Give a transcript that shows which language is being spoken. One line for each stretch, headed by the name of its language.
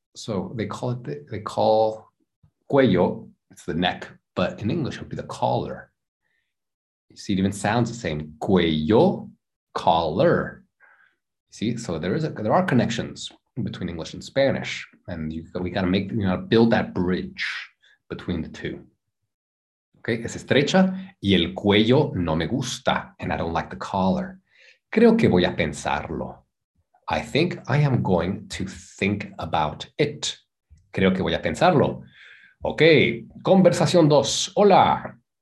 English: So they call cuello, it's the neck, but in English it would be the collar. You see, it even sounds the same. Cuello, collar. See, so there are connections between English and Spanish. And we gotta make, build that bridge between the two.
Spanish: Okay, es estrecha y el cuello no me gusta.
English: And I don't like the collar.
Spanish: Creo que voy a pensarlo.
English: I think I am going to think about it.
Spanish: Creo que voy a pensarlo. Ok, conversación 2. Hola.